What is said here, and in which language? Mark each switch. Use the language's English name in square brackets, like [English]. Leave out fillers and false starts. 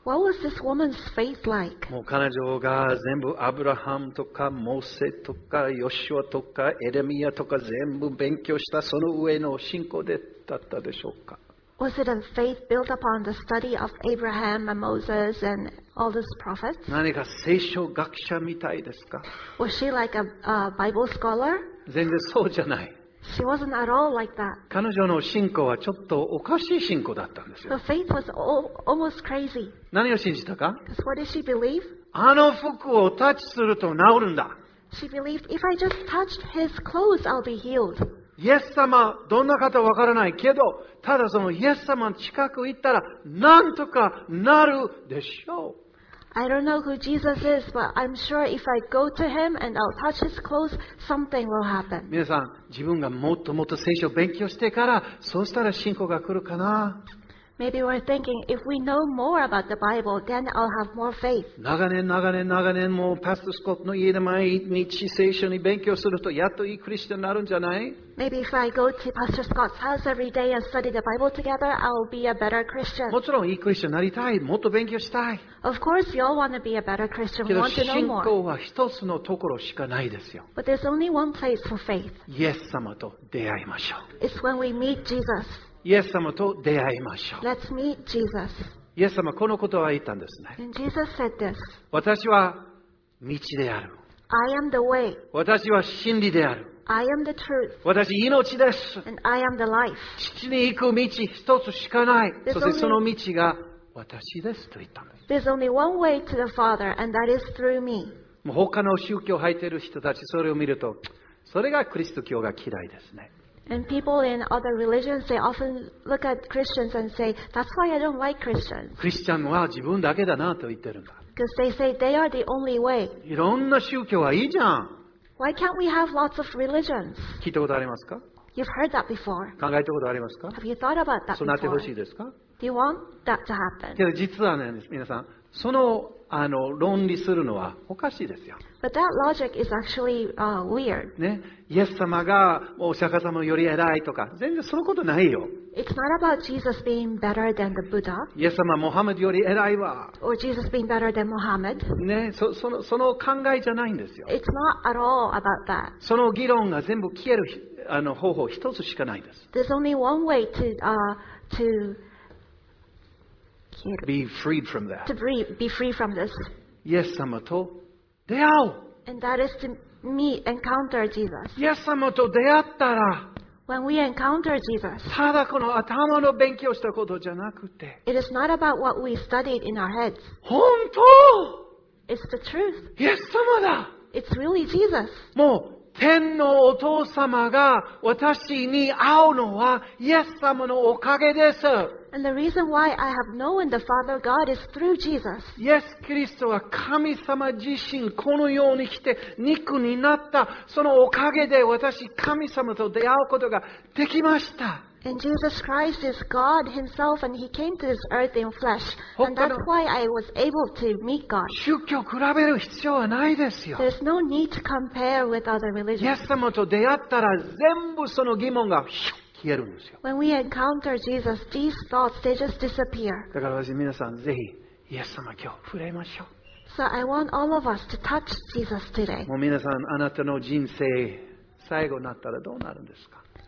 [English] What was this woman's faith like? [Japanese] もう彼女が全部アブラハムとかモーセとかヨシュアとかエレミアとか全部勉強したその上の信仰だったでしょうか？ [English] Was it a faith built upon the study of Abraham and Moses and all those prophets? [Japanese] 何か聖書学者みたいですか？ [English] Was she like a Bible scholar? [Japanese] 全然そうじゃない。 [English] She wasn't at all like that. [Japanese] 彼女の信仰はちょっとおかしい信仰だったんですよ。 [English] Her faith was almost crazy. [Japanese] 何を信じたか？ [English] Because what did she believe? [Japanese] あの服をタッチすると治るんだ。 [English] She believed if I just touched his clothes, I'll be healed. [Japanese] イエス様どんな方わからないけど、ただそのイエス様の近く行ったらなんとかなるでしょう。 [English] I don't know who Jesus is, but I'm sure if I go to him and I'll touch his clothes, something will happen. [Japanese] 皆さん、自分がもっともっと聖書を勉強してから、そうしたら信仰が来るかな？ [English] Maybe we're thinking, if we know more about the Bible, then I'll have more faith. [Japanese] 長年、もうパスタスコットの家で毎日聖書に勉強すると、やっといいクリスチャンになるんじゃない？ [English] Maybe if I go to Pastor Scott's house every day and study the Bible together, I'll be a better Christian. [Japanese] もちろんいいクリスチャンになりたい。もっと勉強したい。 [English] Of course, we all want to be a better Christian. We want to know more. [Japanese] 信仰は一つのところしかないですよ。 [English] But there's only one place for faith. [Japanese] イエス様と出会いましょう。 [English] It's when we meet Jesus. [Japanese] イエス様と出会いましょう。 [English] Let's meet Jesus. [Japanese] イエス様このことは言ったんですね。 [English] And Jesus said this. [Japanese] 私は道である。 [English] I am the way. [Japanese] 私は真理である。 [English] I am the truth. [Japanese] 私命です。 [English] And I am the life. [Japanese] 父に行く道一つしかない。そしてその道が私ですと言ったんです。 [English] There's only one way to the Father, and that is through me. [Japanese] 他の宗教入っている人たちそれを見ると、それがキリスト教が嫌いですね。 [English] And people in other religions, they often look at Christians and say, "That's why I don't like Christians." [Japanese] クリスチャンは自分だけだなと言ってるんだ。 [English] Because they say they are the only way. [Japanese] いろんな宗教はいいじゃん。 [English] Why can't we have lots of religions? [Japanese] 聞いたことありますか？ [English] You've heard that before. [Japanese] 考えたことありますか？ [English] Have you thought about that before? [Japanese] そうなってほしいですか？ [English] Do you want that to happen? [Japanese] けど実はね、皆さん、その論理するのはおかしいですよ。 [English] But that logic is actually weird. [Japanese] ね、イエス様がお釈迦様より偉いとか、全然そのことないよ。 [English] It's not about Jesus being better than the Buddha. [Japanese] イエス様、モハメドより偉いわ。 [English] Or Jesus being better than Muhammad. [Japanese] ね、その考えじゃないんですよ。 [English] It's not at all about that. [Japanese] その議論が全部消える方法一つしかないんです。 [English] There's only one way to kill. Be freed from that. To be free from this. [Japanese] イエス様と出会う。 [English] And that is to meet, encounter Jesus. [Japanese] イエス様と出会ったら。 [English] When we encounter Jesus, [Japanese] ただこの頭の勉強したことじゃなくて、 [English] It is not about what we studied in our heads. [Japanese] 本当。 [English] It's the truth. [Japanese] イエス様だ。 [English] It's really Jesus. [Japanese] もう天のお父様が私に会うのはイエス様のおかげです。 [English] And the reason why I have known the Father God is through Jesus. [Japanese] イエス・キリストは神様自身このように来て肉になった。そのおかげで私、神様と出会うことができました。 [English] And Jesus Christ is God Himself, and He came to this earth in flesh. And that's why I was able to meet God. [Japanese] 宗教を比べる必要はないですよ。 [English] There's no need to compare with other religions. [Japanese] イエス様と出会ったら全部その疑問が消えるんですよ。 [English] When we encounter Jesus, these thoughts, they just disappear. [Japanese] だから私、皆さん、ぜひ、イエス様今日、触れましょう。 [English] So I want all of us to touch Jesus today. [Japanese] もう皆さん、あなたの人生、最後になったらどうなるんですか？